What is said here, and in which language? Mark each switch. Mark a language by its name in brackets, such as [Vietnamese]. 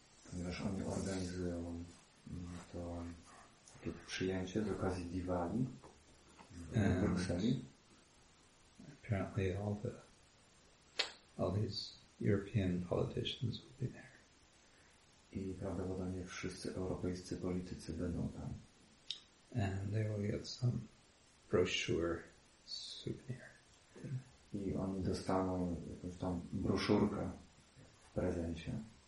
[Polish] Ponieważ oni organizują to takie przyjęcie z okazji Diwali w Brukseli. [English] Apparently all these European politicians will be there. [Polish] I prawdopodobnie wszyscy europejscy politycy będą tam. [English] And they will get some brochure souvenir. [Polish] I oni dostaną jakąś tam broszurkę w prezencie.